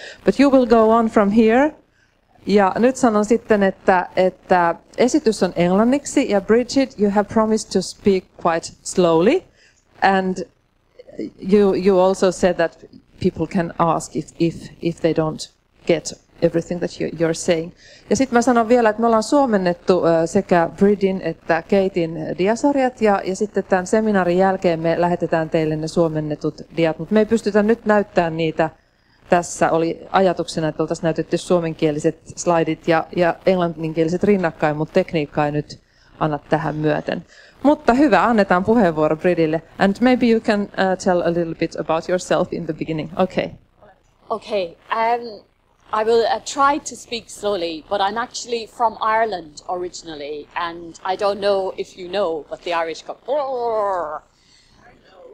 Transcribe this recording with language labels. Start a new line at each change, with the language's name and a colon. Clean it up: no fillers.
English: But you will go on from here.
Finnish: Ja nyt sanon sitten, että esitys on englanniksi, ja
English: Bridget, you have promised to speak quite slowly, and you also said that people can ask if they don't get everything that you're saying.
Finnish: Ja sitten mä sanon vielä, että me ollaan suomennettu sekä Bridin että Katein diasarjat, ja sitten tämän seminaarin jälkeen me lähetetään teille ne suomennetut diat, mutta me ei pystytä nyt näyttämään niitä. Tässä oli ajatuksena, että oltaisiin näytetty suomenkieliset slaidit ja englanninkieliset rinnakkain, mutta tekniikka ei nyt anna tähän myöten. Mutta hyvä, annetaan puheenvuoro Bridille.
English: And maybe you can tell a little bit about yourself in the beginning. Okay. Okay. I will try to speak slowly, but I'm actually from Ireland originally, and I don't know if you know, but the Irish go. I know.